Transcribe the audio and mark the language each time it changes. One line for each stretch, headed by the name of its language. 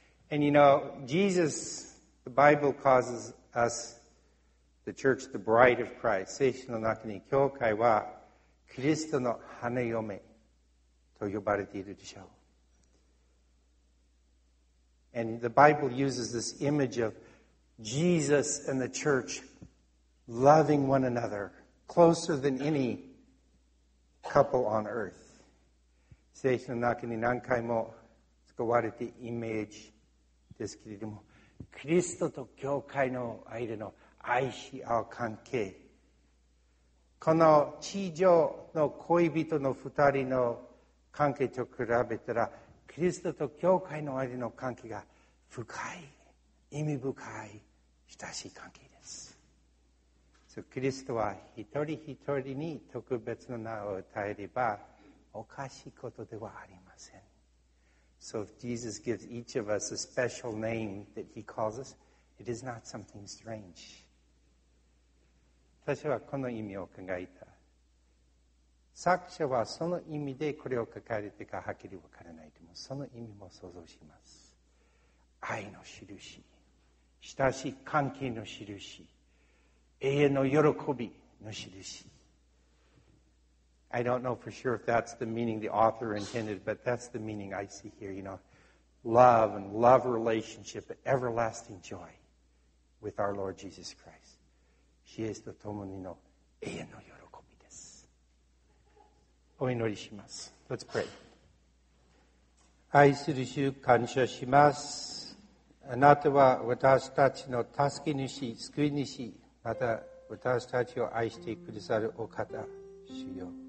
English: And you know, Jesus, the Bible causes us, the church, the bride of Christ,
Japanese: 聖書の中に教会はキリストの花嫁と呼ばれているでしょう。
English: And the Bible uses this image of Jesus and the church loving one another. Closer than any couple on earth.
Japanese: 聖書の中に何回も使われてイメージですけれども、キリストと教会の間の愛し合う関係、この地上の恋人の二人の関係と比べたら、キリストと教会の間の関係が深い、意味深い、親しい関係。キリストは一人一人に特別の名を与えればおかしいことではありません。
English: So if Jesus gives each of us a special name that he calls us, it is not something strange.
Japanese: 私はこの意味を考えた。作者はその意味でこれを書かれてかはっきりわからないでもその意味も想像します。愛の印、親しい関係の印、永遠の喜びの印。
English: I don't know for sure if that's the meaning the author intended, but that's the meaning I see here, you know. Love and love relationship, everlasting joy with our Lord Jesus Christ.
Japanese: イエスと共にの永遠の喜びです。お祈りします。
English: Let's pray.
Japanese: 愛する主、感謝します。あなたは私たちの助け主、救い主、また私たちを愛してくださるお方、主よ。